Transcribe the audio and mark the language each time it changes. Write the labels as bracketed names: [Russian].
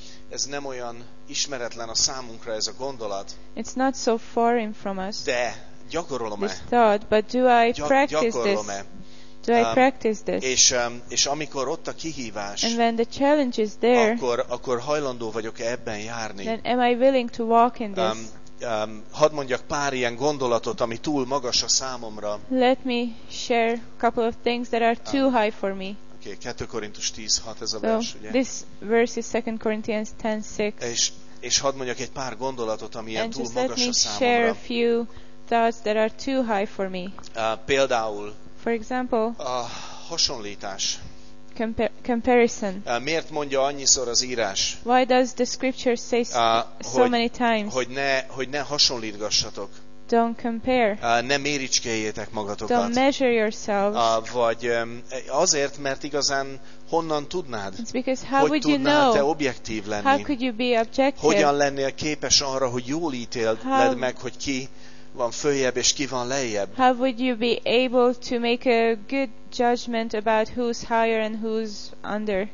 [Hungarian] Ez nem olyan ismeretlen a számunkra ez a gondolat. [English] It's not so foreign from us. [Hungarian] De gyakorolom-e? [English] This thought, but do I practice [Hungarian] gyakorolom-e? [English] This? Do I practice this? [Hungarian] És amikor ott a kihívás, [English] and when the challenge is there, [Hungarian] akkor hajlandó vagyok ebben járni. [English] Then am I willing to walk in this? [Hungarian] Hadd mondjak pár ilyen gondolatot, ami túl magas a számomra. [English] Let me share a couple of things that are too high for me. [Hungarian] Okay, 2 Korintus 10:6 ez a vers, ugye? [English] This verse is 2 Corinthians 10:6. [Hungarian] És hadd mondjak egy pár gondolatot, ami ilyen [English] and [Hungarian] túl magas a számomra. [English] And just let me share a few thoughts that are too high for me. [Hungarian] Például. [English] For example, [Hungarian] a hasonlítás. [English] Comparison. [Hungarian] Miért mondja annyiszor az írás? [English] Why does the scripture say so many times? [Hungarian] Hogy ne hasonlítgassatok. [English] Don't compare. [Hungarian] Ne méricskéljétek magatokat. [English] Don't measure yourselves. [Hungarian] Azért, mert igazán honnan tudnád? [English] It's because how [Hungarian] hogy [English] would you know? [Hungarian] Te objektív lenni? [English] How could you be objective? [Hungarian] Hogyan lennél képes arra, hogy jól ítéld meg, hogy ki van följebb és ki van lejjebb? [English] How would you be able to make a good judgment about who's higher and who's under?